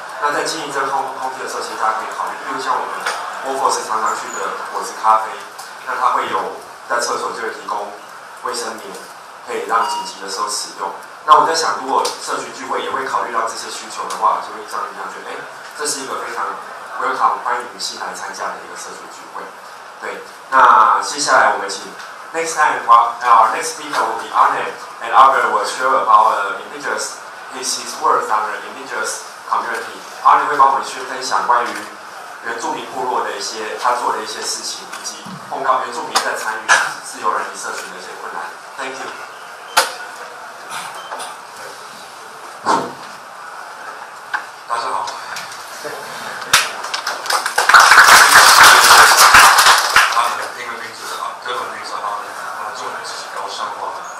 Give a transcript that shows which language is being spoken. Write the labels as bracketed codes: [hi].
[zh] 那在经营这空间的时候，其实大家可以考虑，比如像我们 Wolfos 常常去的果汁咖啡，那他会有在厕所就会提供卫生棉。可以让紧急的时候使用。那我在想，如果社区聚会也会考虑到这些需求的话，就会像你一样觉得，这是一个非常 welcome 欢迎女性来参加的一个社区聚会。对，那接下来我们请 [en] next time our next speaker will be Arne, and Arne will share about indigenous his work on the indigenous community. [zh] Arne 会帮我们去分享关于原住民部落的一些他做的一些事情，以及碰到原住民在参与自由人民社群的一些困难。 [en] Thank you. [zh] 大家好。啊，英文名字啊，德文名字啊，中文是高尚化。